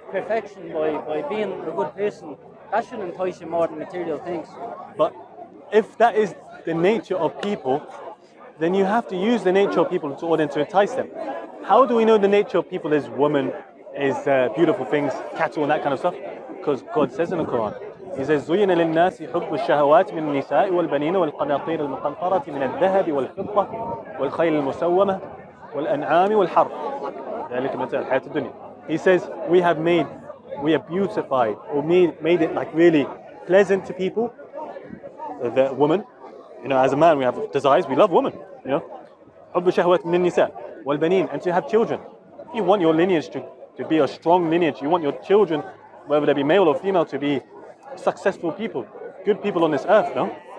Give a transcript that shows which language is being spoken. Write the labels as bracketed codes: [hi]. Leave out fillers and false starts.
[en] perfection by being a good person. That should entice you more than material things. But if that is the nature of people, then you have to use the nature of people in order to entice them. How do we know the nature of people is woman, is beautiful things, cattle and that kind of stuff? Because God says in the Quran, He says, [ar] زُيِّنَ لِلنَّاسِ حُبُّ الشَّهَوَاتِ مِنَ النِّسَاءِ وَالْبَنِينَ وَالْقَنَاطِيرِ الْمُقَنْطَرَةِ مِنَ الذَّهَبِ وَالْفِضَّةِ وَالْخَيْلِ الْمُسَوَّمَةِ وَالْأَنْعَامِ وَالْحَرْثِ ذَلِكَ مَتَاعُ الْحَيَاةِ الدُّنْيَا. [en] He says, we have beautified or made it like really pleasant to people, the woman. You know, as a man, we have desires. We love women, you know. [ar] حُبُّ الشَّهَوَاتِ مِنَ النِّسَاءِ وَالْبَنِينَ. [en] And to have children. You want your lineage to be a strong lineage. You want your children, whether they be male or female, to be successful people, good people on this earth, no?